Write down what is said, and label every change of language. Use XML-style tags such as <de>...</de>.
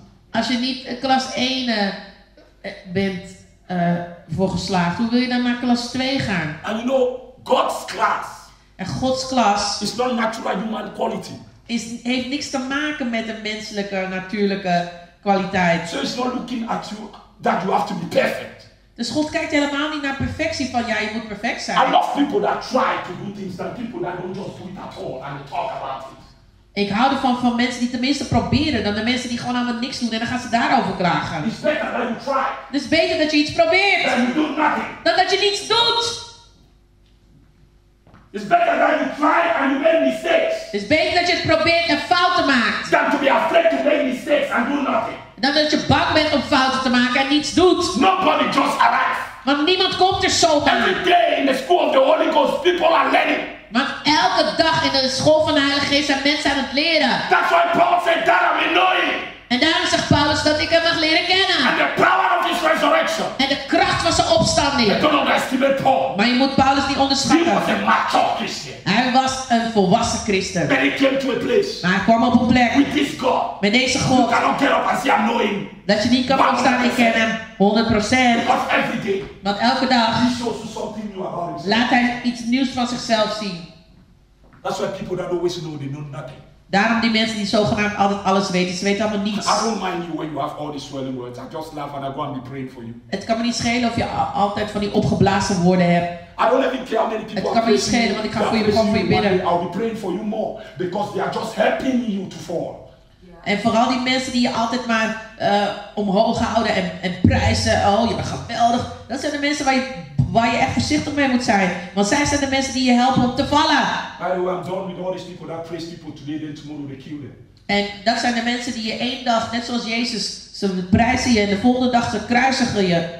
<nl>Als je niet klas 1 bent voor geslaagd, hoe wil je dan naar klas 2 gaan?</nl> <en>And you know, God's class.</en> <nl>En Gods klas</nl> <en>is not natural human quality.</en> <nl>Heeft niks te maken met een menselijke, natuurlijke kwaliteit.</nl> <en>So it's not looking at you that you have to be perfect.</en> <nl>Dus God kijkt helemaal niet naar perfectie van ja, je moet perfect zijn.</nl> <en>I love people that try to do things than people that don't just do it at all and talk about it.</en> <nl>Ik hou ervan van mensen die tenminste proberen dan de mensen die gewoon helemaal niks doen en dan gaan ze daarover klagen.</nl> <en>It's better that you try.</en> <nl>Het is beter dat je iets probeert.</nl> <en>Than you do nothing.</en> <nl>Dan dat je niets doet.</nl> <en>It's better that you try and you make mistakes.</en> <nl>Is beter dat je het probeert en fouten maakt.</nl> <en>Than to be afraid to make mistakes and do nothing.</en> <nl>Dan dat je bang bent om fouten te maken en niets doet.</nl> <en>Nobody just arrives.</en> <nl>Want niemand komt er zomaar.</nl> <en>Every day in the school of the Holy Ghost, people are learning.</en> <nl>Want elke dag in de school van de Heilige Geest zijn mensen aan het leren.</nl> <en>That's why Paul said that I'm annoying.</en> <nl>En daarom zegt Paulus dat ik hem mag leren kennen.</nl> <en>And the power of his resurrection.</en> <nl>En de kracht van zijn opstanding.</nl> <en>I don't underestimate Paul.</en> <nl>Maar je moet Paulus de schatten.</nl> <en>He was a mature Christian.</en> <nl>Hij was een volwassen christen.</nl> <en>But he came to a place.</en> <nl>Maar hij kwam op een plek.</nl> <en>With this God.</en> <nl>Met deze God.</nl> <en>You cannot get up and say, I'm knowing.</en> <nl>Dat je niet kan opstaan en kennen.</nl> <en>100%. Because every day.</en> <nl>Want elke dag.</nl> <en>He shows you something new about himself.</en> <nl>Laat hij iets nieuws van zichzelf zien.</nl> <en>That's why people that always know, they know nothing.</en> <nl>Daarom die mensen die zogenaamd altijd alles weten, ze weten allemaal niets.</nl> <en>I don't mind you when you have all these swelling words. I just laugh and I go and be praying for you.</en> <nl>Het kan me niet schelen of je altijd van die opgeblazen woorden hebt.</nl> <en>I don't even care how many people.</en> <nl>Het kan me niet schelen, want ik ga voor je bidden.</nl> <en>I'll be praying for you more because they are just helping you to fall.</en> <nl>En vooral die mensen die je altijd maar omhoog houden en prijzen. Oh, je bent geweldig. Dat zijn de mensen waar je echt voorzichtig mee moet zijn. Want zij zijn de mensen die je helpen om te vallen.</nl> <en>By the way, I'm done with all these people that praise people today, then tomorrow they kill them.</en> <nl>En dat zijn de mensen die je één dag, net zoals Jezus, ze prijzen je en de volgende dag ze kruisigen je.</nl>